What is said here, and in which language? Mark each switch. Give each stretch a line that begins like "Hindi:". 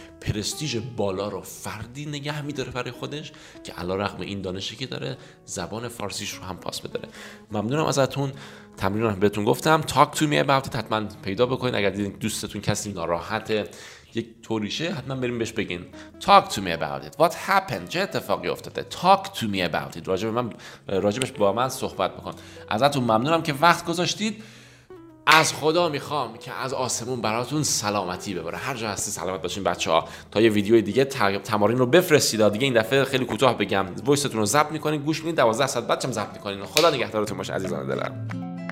Persian: پرستیژ بالا رو فردی نگه میداره برای خودش که علی‌رغم این دانشی که داره زبان فارسیش رو هم پاس بداره. ممنونم ازتون. تمرین رو بهتون گفتم،
English: talk to me about it،
Persian: حتما پیدا بکنین. اگر دیدین دوستتون کسی ناراحته یک طوریشه، حتما بریم بهش بگین talk to me about it.
English: What happened؟
Persian: چه اتفاقی افتاده؟
English: talk to me about it.
Persian: راجبش با من صحبت بکن. ازتون ممنونم که وقت گذاشتید. از خدا میخوام که از آسمون براتون سلامتی ببره. هر جا هستی سلامت باشین بچه ها. تا یه ویدیو دیگه تمارین رو بفرستید. دیگه این دفعه خیلی کوتاه بگم، وایستون رو ضبط میکنین، گوش میدین 12 ساعت بچم ضبط میکنین. خدا نگهدارتون باشه عزیزان دلم.